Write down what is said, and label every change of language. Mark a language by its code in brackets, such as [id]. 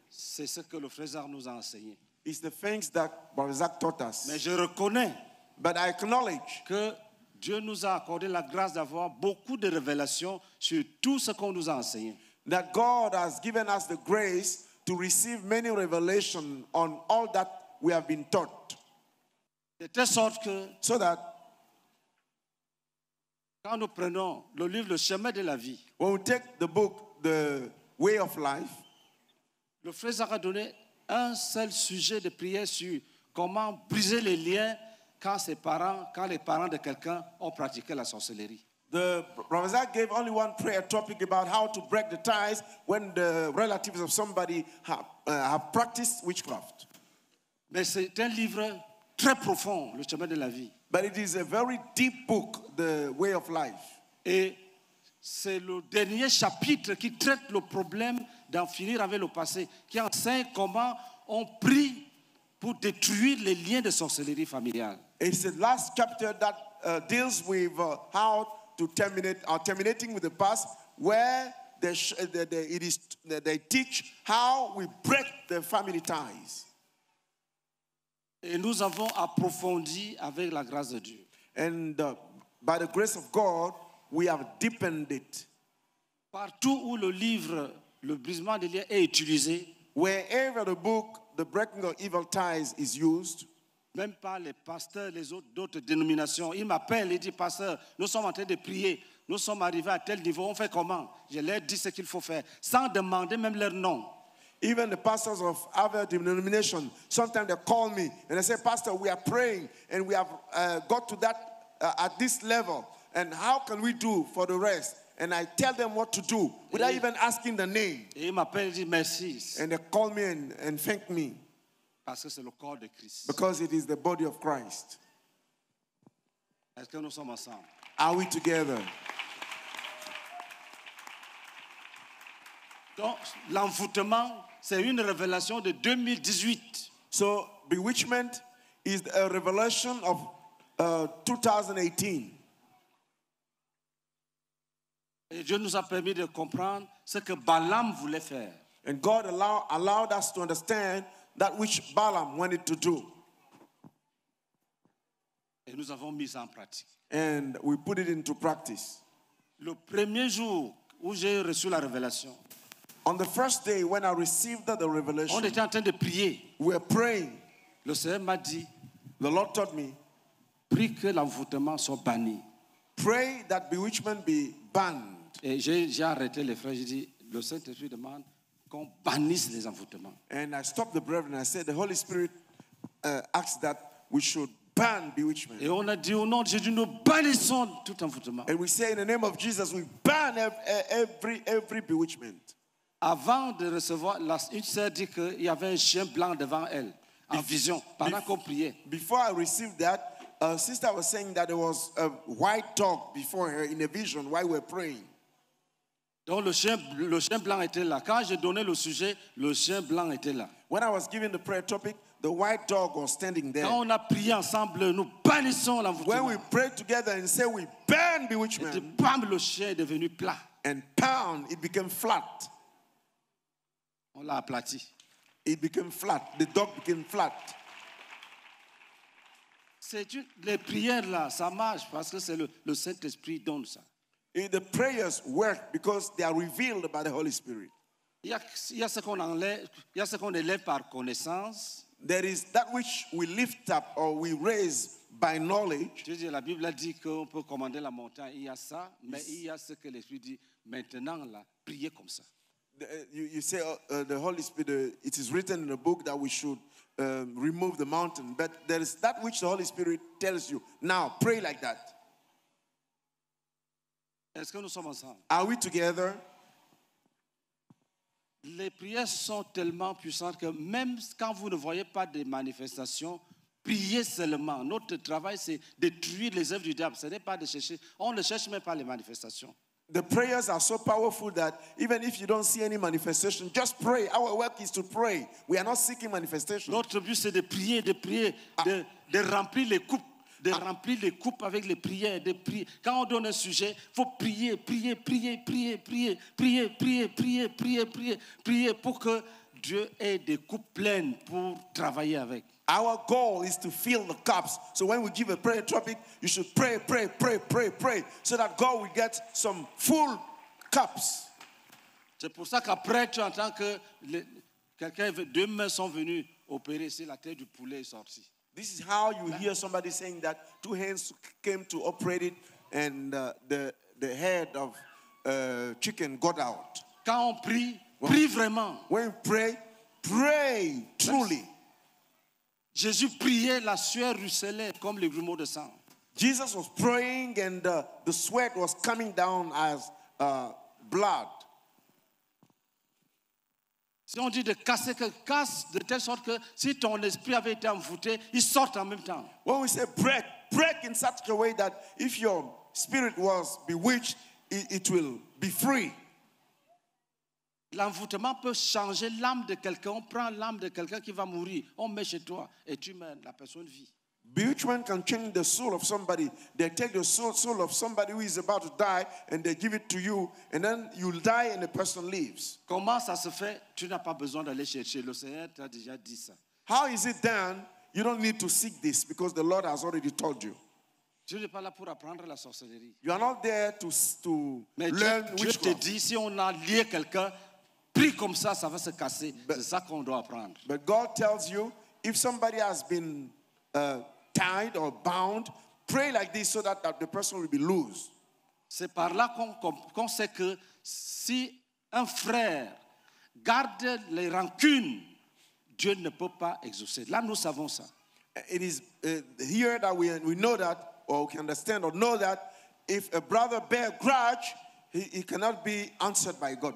[fr] c'est ce que le frère Zach nous a enseigné. [en] Is the things that Barzac taught us. [fr] Mais je reconnais, [en] but I acknowledge, [fr] que Dieu nous a accordé la grâce d'avoir beaucoup de révélations sur tout ce qu'on nous a enseigné. [en] That God has given us the grace to receive many revelations on all that we have been taught. [fr] De telle sorte que, [en] so that [fr] quand nous prenons le livre Le Chemin de la Vie, [en] when we take the book The Way of Life, [fr] le frère a donné un seul sujet de prière sur comment briser les liens quand ses parents, quand les parents de quelqu'un ont pratiqué la sorcellerie. [en] The professor gave only one prayer topic about how to break the ties when the relatives of somebody have practiced witchcraft. [fr] Mais c'est un livre très profond, Le Chemin de la Vie. [en] But it is a very deep book, The Way of Life. [fr] Et c'est le dernier chapitre qui traite le problème d'en finir avec le passé, qui enseigne comment on prie pour détruire les liens de sorcellerie familiale. Et c'est le dernier chapitre qui traite le problème d'en finir avec le passé, où ils enseignent comment on brise les liens familiaux. Et nous avons approfondi avec la grâce de Dieu. [en] And by the grace of God, we have deepened it. [fr] Partout où le livre, le brisement des liens est utilisé, [en] wherever the book, The Breaking of Evil Ties, is used, [fr] même par les pasteurs, les autres d'autres dénominations, ils m'appellent et disent, pasteur, nous sommes en train de prier, nous sommes arrivés à tel niveau, on fait comment? Je leur dis ce qu'il faut faire, sans demander même leur nom. [en] Even the pastors of other denomination, sometimes they call me and they say, pastor, we are praying and we have got to that at this level. And how can we do for the rest? And I tell them what to do without even asking the name. [fr] Et il m'appelle, dit, merci. [en] And they call me and thank me. [fr] Parce que c'est le corps de Christ. [en] Because it is the body of Christ. [fr] Est-ce que nous sommes ensemble? [en] Are we together? [fr] Donc, l'envoûtement, c'est une révélation de 2018. [en] So bewitchment is a revelation of 2018. [fr] Et Dieu nous a permis de comprendre ce que Balaam voulait faire. [en] And God allowed us to understand that which Balaam wanted to do. [fr] Et nous avons mis en pratique. [en] And we put it into practice. [fr] Le premier jour où j'ai reçu la révélation. [en] On the first day when I received the revelation. [fr] On était en train de prier. [en] We were praying. [fr] Le Seigneur m'a dit, [en] the Lord taught me, [fr] prie que l'envoûtement soit banni. [en] Pray that bewitchment be banned. [fr] Et j'ai arrêté les frères, j'ai dit, le Saint-Esprit demande qu'on bannisse les envoûtements. [en] And I stopped the brethren and I said, the Holy Spirit asks that we should ban bewitchment. [fr] Et on a dit au nom de Jésus, nous bannissons tout envoûtement. [en] And we say in the name of Jesus, we ban every bewitchment. [fr] Avant de recevoir, la sœur dit qu'il y avait un chien blanc devant elle, en vision, pendant qu'on priait. [en] Before I received that, sister was saying that there was a white dog before her in a vision while we were praying. [fr] Donc le chien blanc était là. Quand j'ai donné le sujet, le chien blanc était là. [en] When I was giving the prayer topic, the white dog was standing there. [fr] Quand on a prié ensemble, nous bannissons l'envoûtement. [en] When we prayed together and said we ban bewitchment. [fr] Et bam, le chien est devenu plat. [en] And pound, it became flat. [fr] On l'a aplati. [en] It became flat. The dog became flat. [fr] C'est une, les prières là, ça marche parce que c'est le Saint-Esprit donne ça. [en] If the prayers work because they are revealed by the Holy Spirit. [fr] Il y a ce qu'on élève par connaissance. [en] There is that which we lift up or we raise by knowledge. [fr] Je veux dire, la Bible a dit qu'on peut commander la montagne. Il y a ça, mais il y a ce que l'Esprit dit maintenant là, priez comme ça. [en] You say the Holy Spirit, it is written in the book that we should remove the mountain. But there is that which the Holy Spirit tells you. Now, pray like that. [fr] Est-ce que nous sommes ensemble? [en] Are we together? [fr] Les prières sont tellement puissantes que même quand vous ne voyez pas des manifestations, priez seulement. Notre travail, c'est détruire les œuvres du diable. Ce n'est pas de chercher. On ne cherche même pas les manifestations. [en] The prayers are so powerful that even if you don't see any manifestation, just pray. Our work is to pray. We are not seeking manifestation. [fr] Notre but, c'est de prier, de prier, de remplir les coupes. De remplir les coupes avec les prières, de prier. Quand on donne un sujet, il faut prier, prier, prier, prier, prier, prier, prier, prier, prier, prier, prier pour que Dieu ait des coupes pleines pour travailler avec. [en] Our goal is to fill the cups. So when we give a prayer topic, you should pray, pray, pray, pray, pray, so that God will get some full cups. [fr] C'est pour ça qu'après, tu entends que deux mains sont venues opérer, c'est la tête du poulet est sortie. [en] This is how you hear somebody saying that two hands came to operate it and the head of chicken got out. [fr] Quand on prie, when, prie vraiment. [en] When you pray, pray truly. [fr] Jésus priait, la sueur ruisselait comme les grumeaux de sang. [en] Jesus was praying and the sweat was coming down as blood. [fr] Si on dit de casser, que casse de telle sorte que si ton esprit avait été envoûté, il sort en même temps. [en] When we say break, break in such a way that if your spirit was bewitched, it will be free. [fr] L'envoûtement peut changer l'âme de quelqu'un. On prend l'âme de quelqu'un qui va mourir. On met chez toi et tu mets la personne vie. [en] Bewitchment can change the soul of somebody. They take the soul of somebody who is about to die and they give it to you and then you'll die and the person lives. [fr] Comment ça se fait? Tu n'as pas besoin d'aller chercher. Le Seigneur t'a déjà dit ça. [en] How is it done? You don't need to seek this because the Lord has already told you. [fr] Tu n'es pas là pour apprendre la sorcellerie. [en] You are not there to [fr] mais [en] learn [fr] Dieu, [en] witchcraft. [fr] Dieu te dit, si on a lié quelqu'un, prie comme ça, ça va se casser. But, c'est ça qu'on doit apprendre. [en] But God tells you, if somebody has been tied or bound, pray like this so that the person will be loose. [fr] C'est par là qu'on sait que si un frère garde les rancunes, Dieu ne peut pas exaucer. Là, nous savons ça. [en] It is here that we know that, or we can understand or know that, if a brother bear grudge, he cannot be answered by God.